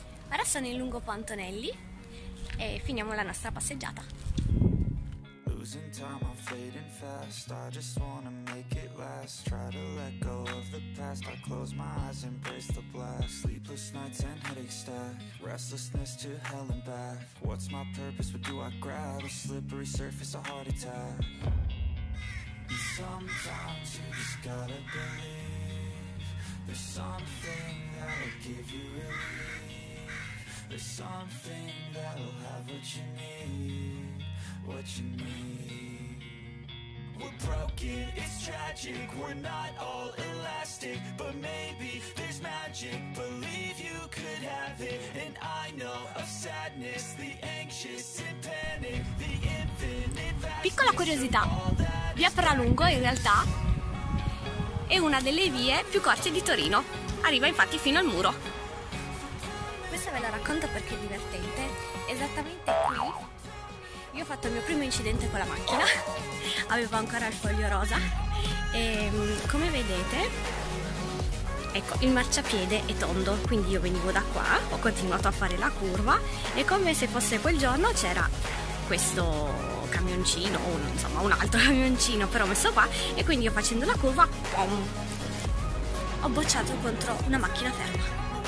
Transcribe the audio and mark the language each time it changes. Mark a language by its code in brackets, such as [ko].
[it] Ora sono in lungo Pantonelli e finiamo la nostra passeggiata. [en] Losing time, I'm fading fast. I just wanna make it last. Try to let go of the past. I close my eyes, embrace the blast. Sleepless nights and headache stack. Restlessness to hell and back. What's my purpose? What do I grab? A slippery surface, a heart attack. Sometimes you just gotta believe there's something that'll give you relief. There's something that'll have what you need, what you need. We're broken, it's tragic, we're not all elastic, but maybe there's magic. Believe you could have it. And I know of sadness, the anxious and panic, the infinite vastness. [it] Piccola curiosità. Via Pralungo in realtà è una delle vie più corte di Torino, arriva infatti fino al muro. Questa ve la racconto perché è divertente. Esattamente qui io ho fatto il mio primo incidente con la macchina, avevo ancora il foglio rosa e come vedete, ecco, il marciapiede è tondo, quindi io venivo da qua, ho continuato a fare la curva e come se fosse quel giorno c'era questo camioncino, insomma un altro camioncino però messo qua, e quindi io facendo la curva, boom, ho bocciato contro una macchina ferma.